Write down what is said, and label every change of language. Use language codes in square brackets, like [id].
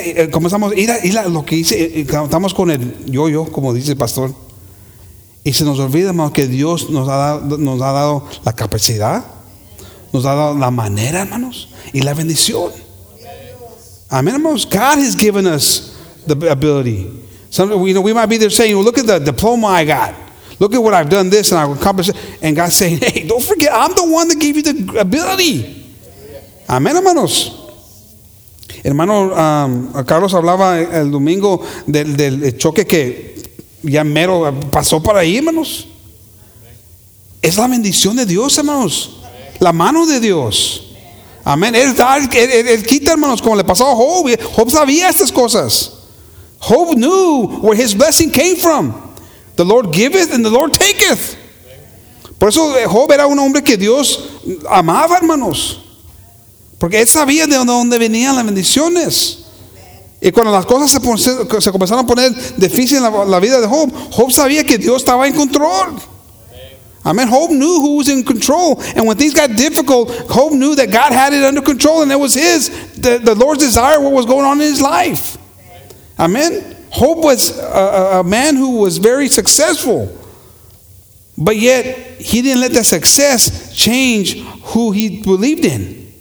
[es] Comenzamos a ir a lo que dice, estamos con el yo, como dice el pastor, y se nos olvida, hermanos, que Dios nos ha dado la capacidad, nos ha dado la manera, hermanos, y la bendición. Amén, hermanos. [en] God has given us the ability. Some, you know, we might be there saying, look at the diploma I got, look at what I've done, this and I've accomplished, and God's saying, hey, don't forget, I'm the one that gave you the ability. [es] Amén, hermanos. Hermano Carlos hablaba el domingo del choque que ya mero pasó por ahí, hermanos. Es la bendición de Dios, hermanos. La mano de Dios. Amén. Él quita, hermanos, como le pasó a Job. Job sabía estas cosas. Job knew where his blessing came from. The Lord giveth and the Lord taketh. Por eso Job era un hombre que Dios amaba, hermanos. Porque él sabía de dónde venían las bendiciones. Y cuando las cosas se comenzaron a poner difíciles en la vida de Job, Job sabía que Dios estaba en control. [en] Amen. Job knew who was in control. And when things got difficult, Job knew that God had it under control and it was his, the Lord's desire, what was going on in his life. Amen. Job was a man who was very successful. But yet, he didn't let that success change who he believed in.